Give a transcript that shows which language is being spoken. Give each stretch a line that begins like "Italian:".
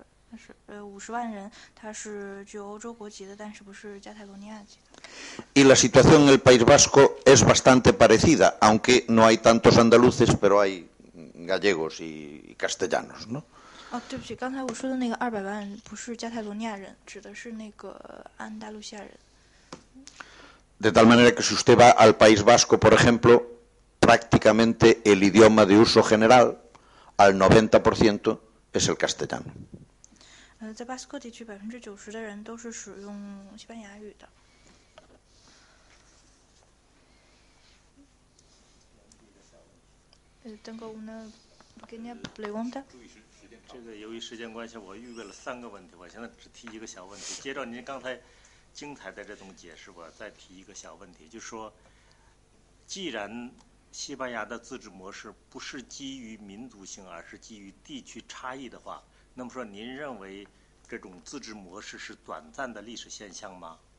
Chinese: 50万人，他是具欧洲国籍的，但是不是加泰罗尼亚籍的。
Spanish: Y la situación en el País Vasco es bastante parecida, aunque no hay tantos andaluces, pero hay gallegos y castellanos, ¿no?
Chinese: 哦，对不起，刚才我说的那个二百万不是加泰罗尼亚人，指的是那个安达卢西亚人。
Spanish: De tal manera que si usted va al País Vasco, por ejemplo, prácticamente el idioma de uso general al 90% es el castellano.
Chinese: 在巴斯克地区，百分之九十的人都是使用西班牙语的。
Spanish: Tengo una pequeña pregunta.
Chinese: 这个由于时间关系，我预备了三个问题，我现在只提一个小问题。接着您刚才精彩的这种解释，我再提一个小问题，就是说，既然西班牙的自治模式不是基于民族性，而是基于地区差异的话，那么说您认为这种自治模式是短暂的历史现象吗？